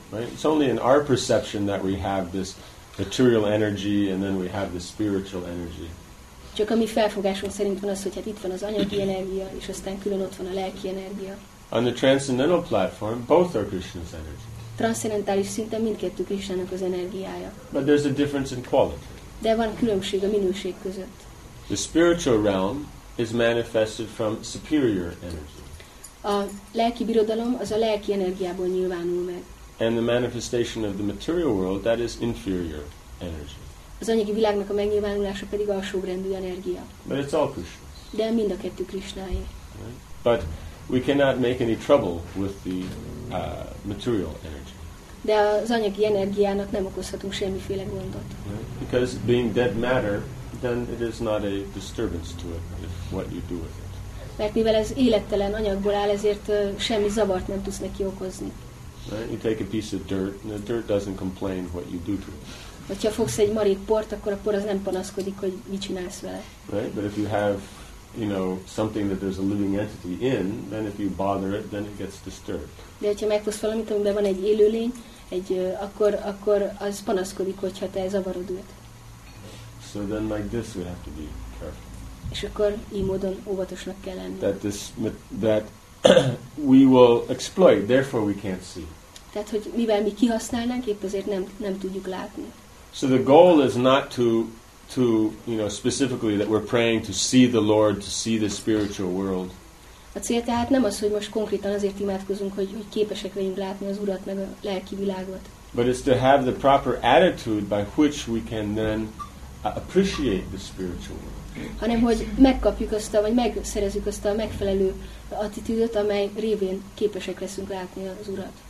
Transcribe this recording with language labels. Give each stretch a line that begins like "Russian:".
English: Right? It's only in our perception that we have this material energy, and then we have the spiritual energy.
Hungarian: Csak a mi felfogásunk szerint van az, hogy hát itt van az anyagi energia, és aztán külön ott van a lelki energia.
English: On the transcendental platform, both are Krishna's energy.
Hungarian: Transzcendentális szinten mindkettő Krisztának az energiája.
English: But there's a difference in quality.
Hungarian: De van különbség a minőség között.
English: The spiritual realm is manifested from superior energy.
Hungarian: A lelki birodalom az a lelki energiából nyilvánul meg.
English: And the manifestation of the material world, that is inferior energy.
Hungarian: Az anyagi világnak a megnyilvánulása pedig alsóbbrendű energia.
English: But it's all Krishna.
Hungarian: De mind a kettő Krisnáé.
English: Right? But we cannot make any trouble with the material energy.
Hungarian: De az anyagi energiának nem okozhatunk semmiféle gondot.
English: Right? Because being dead matter, then it is not a disturbance to it if what you do with it.
Hungarian: Mert mivel ez élettelen anyagból áll, ezért semmi zavart nem tudsz neki okozni.
English: Right? You take a piece of dirt, and the dirt doesn't complain what you do to it.
Hungarian: Hogyha fogsz egy marék port, akkor a por az nem panaszkodik, hogy mit csinálsz vele.
English: Right, but if you have, you know, something that there's a living entity in, then if you bother it, then it gets disturbed.
Hungarian: De hogyha megfogsz valamit, amiben van egy élőlény, egy akkor az panaszkodik, hogyha te zavarod őt.
English: So then like this we have to be careful.
Hungarian: És akkor így módon óvatosnak kell lenni.
English: That we will exploit, therefore we can't see.
Hungarian: Tehát, hogy mivel mi kihasználnánk, épp azért nem tudjuk látni.
English: So the goal is not to you know, specifically that we're praying to see the Lord, to see the spiritual world.
Hungarian: A cél tehát nem az, hogy most konkrétan azért imádkozunk, hogy képesek legyünk látni az Urat meg a lelki világot.
English: But it's to have the proper attitude by which we can then appreciate the spiritual world.
Hungarian: Hanem hogy megkapjuk azt, vagy megszerezzük azt a megfelelő attitűdöt, amely révén képesek leszünk látni az Urat.